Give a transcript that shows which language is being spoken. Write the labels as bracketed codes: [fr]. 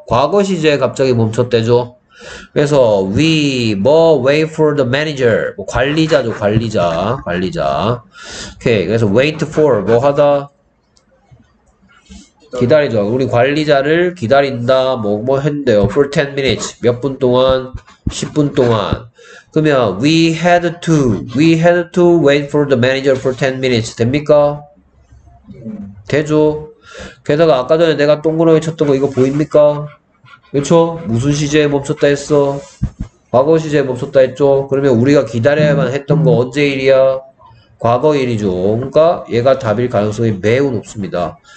[ko] 과거 시제에 갑자기 멈췄대죠. 그래서 we 뭐 [en] wait for the manager. [ko] 뭐 관리자죠. 관리자. 오케이. 그래서 wait for 뭐 하다? 기다리죠. 우리 관리자를 기다린다. 뭐 했는데요. for 10 minutes. 몇 분 동안? 10분 동안. 그러면 [en] we had to wait for the manager for 10 minutes. [ko] 됩니까? 대조. 게다가 아까 전에 내가 동그라미 쳤던 거 이거 보입니까? 그렇죠? 무슨 시제에 멈췄다 했어? 과거 시제에 멈췄다 했죠? 그러면 우리가 기다려야만 했던 거 언제 일이야? 과거 일이죠. 그러니까 얘가 답일 가능성이 매우 높습니다.